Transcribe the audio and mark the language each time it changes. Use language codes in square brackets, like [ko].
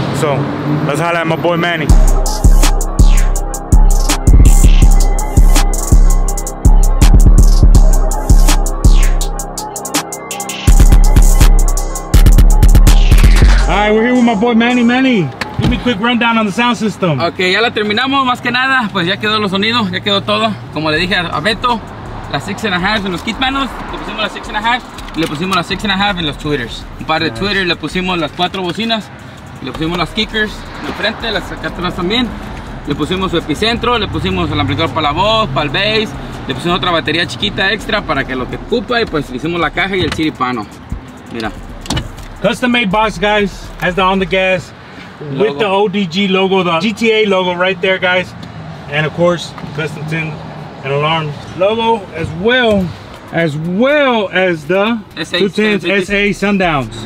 [en] So let's holler at my boy Manny. All right, we're here with my boy Manny. Manny, give me a quick rundown on the sound system. [es] Okay, ya la terminamos, más que nada. Pues ya quedó los sonidos, ya quedó todo. Como le dije a Beto, las 6.5 en los kit panels, le pusimos las 6.5, le pusimos las 6.5 en los tweeters. Un par de tweeters, le pusimos las 4 bocinas, le pusimos las kickers en el frente, las acá atrás también. Le pusimos su epicentro, le pusimos el amplificador para la voz, para el bass. Le pusimos otra batería chiquita extra para que lo que ocupa, y pues le hicimos la caja y el chiri pano. Mira. [en] Custom made box, guys, has the ONDGAS logo. With the ODG logo, the GTA logo right there, guys. And of course, Custom Tint and Alarm logo, as well as the SA, 2 tints SA sundowns.